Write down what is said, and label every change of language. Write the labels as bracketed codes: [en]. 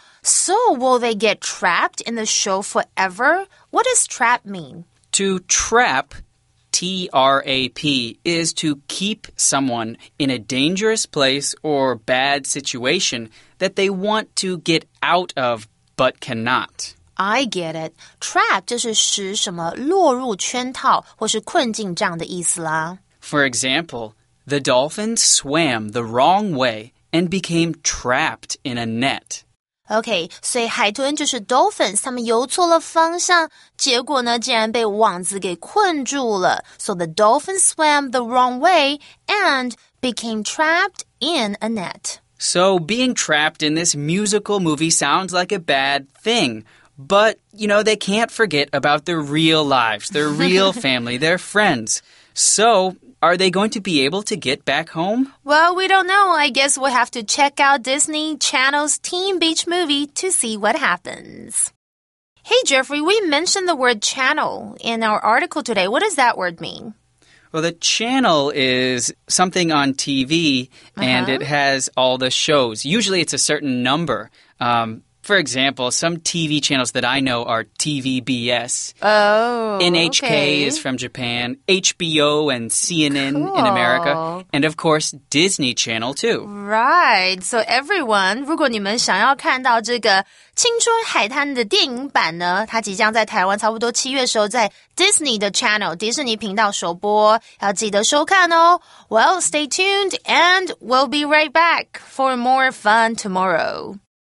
[en] So, will they get trapped in the show forever? What does trap mean? To trap, T-R-A-P, is to keep someone in a dangerous place or bad situation that they want to get out of but cannot. I get it. [zh] Trap 就是使什么落入圈套或是困境这样的意思啦。 [en] For example, the dolphin swam the wrong way and became trapped in a net. [zh] Okay, 所以海豚就是 dolphins, 他们游错了方向,结果呢,竟然被网子给困住了。 [en] So the dolphin swam the wrong way and became trapped in a net. So being trapped in this musical movie sounds like a bad thing, but, you know, they can't forget about their real lives, their real family, their friends. So... Are they going to be able to get back home? Well, we don't know. I guess we'll have to check out Disney Channel's Teen Beach Movie to see what happens. Hey, Jeffrey, we mentioned the word channel in our article today. What does that word mean? Well, the channel is something on TV, and it has all the shows. Usually it's a certain number. For example, some TV channels that I know are TVBS. Oh, NHK, okay. is from Japan, HBO and CNN in America, and of course, Disney Channel too. Right. So everyone, [zh] 如果你们想要看到这个青春海滩的电影版呢，它即将在台湾差不多七月时候在 Disney 的 Channel, 迪士尼频道首播，要记得收看哦。 [en] Well, stay tuned and we'll be right back for more fun tomorrow.